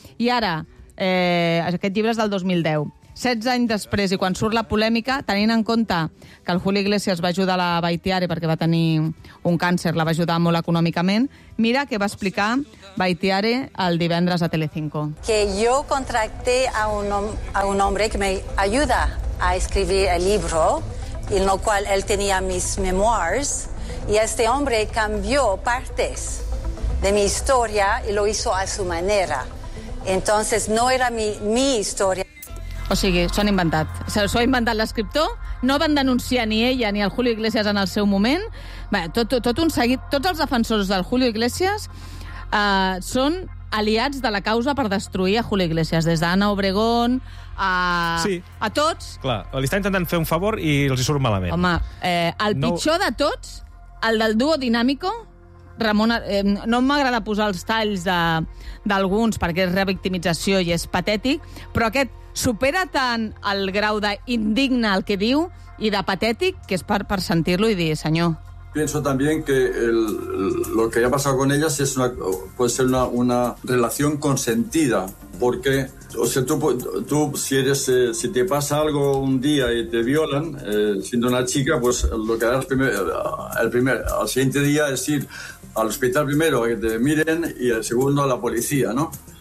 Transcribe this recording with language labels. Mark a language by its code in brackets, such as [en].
[ca] I ara, aquest llibre és del 2010. 16 anys després, i quan surt la polèmica, tenint en compte que el Julio Iglesias va ajudar la Baitiare perquè va tenir un càncer, la va ajudar molt econòmicament, mira què va explicar Baitiare el divendres a Telecinco. [es] Que yo contracté a un hombre que me ayuda a escribir el libro, en el cual él tenía mis memoirs, y este hombre cambió partes de mi historia y lo hizo a su manera. Entonces no era mi historia. [ca] O sigui, s'ho ha inventat l'escriptor, no van denunciar ni ella ni el Julio Iglesias en el seu moment. Bé, tot un seguit, tots els defensors del Julio Iglesias són aliats de la causa per destruir a Julio Iglesias, des d'Anna Obregón a tots. Clar, li està intentant fer un favor i els hi surt malament. Home, el pitjor de tots, el del duo Dinámico, Ramon, no m'agrada posar els talls d'alguns perquè és revictimització i és patètic, però aquest supera tant el grau d'indigne el que diu i de patètic que és per sentir-lo i dir, senyor. [es] Pienso también que lo que ha pasado con ellas es una, puede ser una relación consentida, porque o sea, tú si eres si te pasa algo un día y te violan siendo una chica, pues lo que harás el primer al siguiente día es ir al hospital primero a que te miren y el segundo a la policía, ¿no?